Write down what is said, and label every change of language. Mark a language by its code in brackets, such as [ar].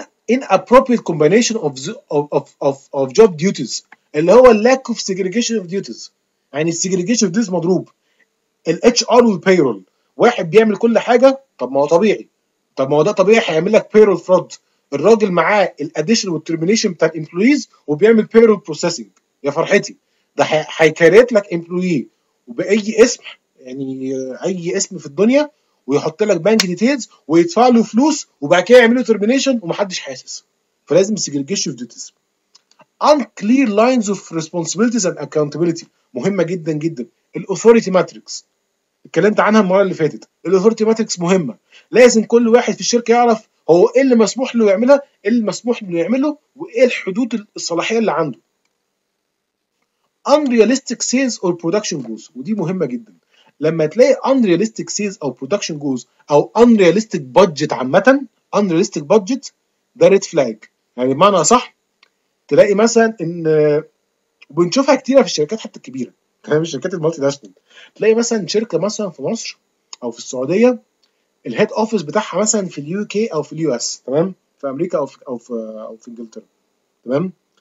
[en] ان appropriate combination of job duties، [ar] اللي هو [en] lack of segregation of duties. [ar] يعني segregation of duties مضروب، ال HR وال payroll، واحد بيعمل كل حاجة، طب ما هو طبيعي، طب ما هو ده طبيعي هيعمل لك payroll fraud. الراجل معاه ال addition وال termination بتاع employees وبيعمل payroll processing، يا فرحتي، ده هيكريت لك employee وبأي اسم، يعني أي اسم في الدنيا، ويحط لك بانك ديتيلز ويدفع له فلوس، وبعد كده يعمل له termination ومحدش حاسس. فلازم [en] segregation of duties. Unclear lines of responsibilities and accountability [ar] مهمة جدا جدا. الاثوريتي ماتريكس اتكلمت عنها المرة اللي فاتت، الاثوريتي ماتريكس مهمة، لازم كل واحد في الشركة يعرف هو ايه اللي مسموح له يعملها، ايه اللي مسموح له يعمله، وايه الحدود الصلاحية اللي عنده. [en] Unrealistic sales or production goals، [ar] ودي مهمة جدا. لما تلاقي [en] unrealistic sales او production goals [ar] او unrealistic budget عامة، unrealistic budget ده red flag، يعني بمعنى صح تلاقي مثلا ان، وبنشوفها كتيره في الشركات حتى الكبيره، تمام؟ الشركات المالتي ناشونال، تلاقي مثلا شركه مثلا في مصر او في السعوديه الهيد اوفيس بتاعها مثلا في اليو كي او في اليو اس، تمام؟ في امريكا او في انجلترا، تمام؟